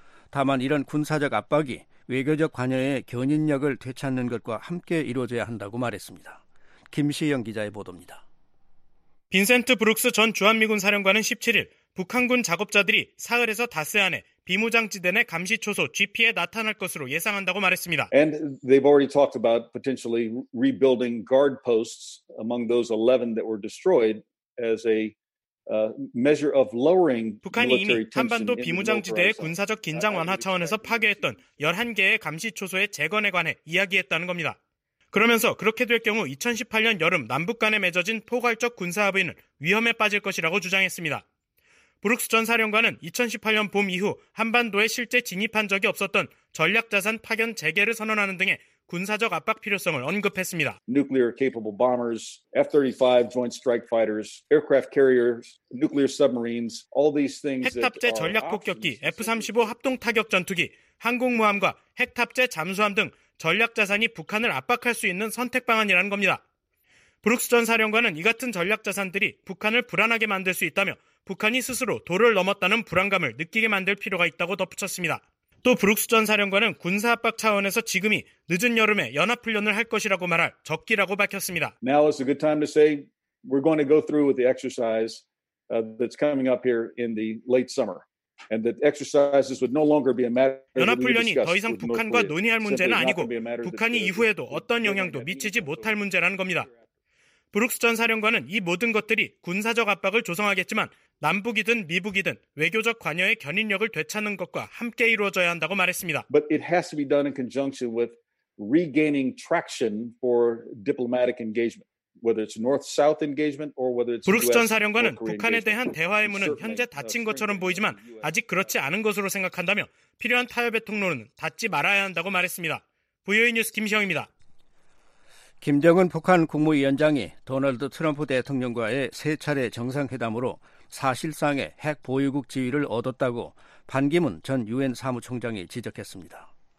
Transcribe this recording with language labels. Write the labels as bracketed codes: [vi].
[ko] 다만 이런 군사적 압박이 외교적 관여의 견인력을 되찾는 것과 함께 이루어져야 한다고 말했습니다. 김시영 기자의 보도입니다. 빈센트 브룩스 전 주한미군 사령관은 17일 북한군 작업자들이 사흘에서 닷새 안에 비무장지대 내 감시초소 GP에 나타날 것으로 예상한다고 말했습니다. [en] And they've already talked about potentially rebuilding guard posts among those 11 that were destroyed as a measure of lowering military tension. [ko] 북한이 이미 한반도 비무장지대의 군사적 긴장 완화 차원에서 파괴했던 11개의 감시초소의 재건에 관해 이야기했다는 겁니다. 그러면서 그렇게 될 경우 2018년 여름 남북 간에 맺어진 포괄적 군사 합의는 위험에 빠질 것이라고 주장했습니다. 브룩스 전 사령관은 2018년 봄 이후 한반도에 실제 진입한 적이 없었던 전략자산 파견 재개를 선언하는 등의 군사적 압박 필요성을 언급했습니다. [en] Nuclear capable bombers, F-35 joint strike fighters, aircraft carriers, nuclear submarines, all these things. [ko] 핵탑재 전략 폭격기, F-35 합동 타격 전투기, 항공모함과 핵탑재 잠수함 등 전략자산이 북한을 압박할 수 있는 선택 방안이라는 겁니다. 브룩스 전 사령관은 이 같은 전략자산들이 북한을 불안하게 만들 수 있다며 북한이 스스로 도를 넘었다는 불안감을 느끼게 만들 필요가 있다고 덧붙였습니다. 또 브룩스 전 사령관은 군사 압박 차원에서 지금이 늦은 여름에 연합훈련을 할 것이라고 말할 적기라고 밝혔습니다. [en] Now is a good time to say we're going to go through with the exercise that's coming up here in the late summer. And that exercises would no longer be a matter. [ko] 연합훈련이 더 이상 북한과 논의할 문제는 아니고 북한이 이후에도 어떤 영향도 미치지 못할 문제라는 겁니다. 브룩스 전 사령관은 이 모든 것들이 군사적 압박을 조성하겠지만 남북이든 미북이든 외교적 관여의 견인력을 되찾는 것과 함께 이루어져야 한다고 말했습니다. [en] But it has to be done in conjunction with regaining traction for diplomatic engagement. Whether it's North-South engagement or whether it's [ko] 브룩스 전 사령관은 북한에 대한 대화의 문은 현재 닫힌 것처럼 보이지만 아직 그렇지 않은 것으로 생각한다며 필요한 타협의 통로는 닫지 말아야 한다고 말했습니다. VOA 뉴스 김시영입니다. 김정은 북한 국무위원장이 도널드 트럼프 대통령과의 세 차례 정상회담으로 사실상의 핵 보유국 지위를 얻었다고 반기문 전 유엔 사무총장이 지적했습니다.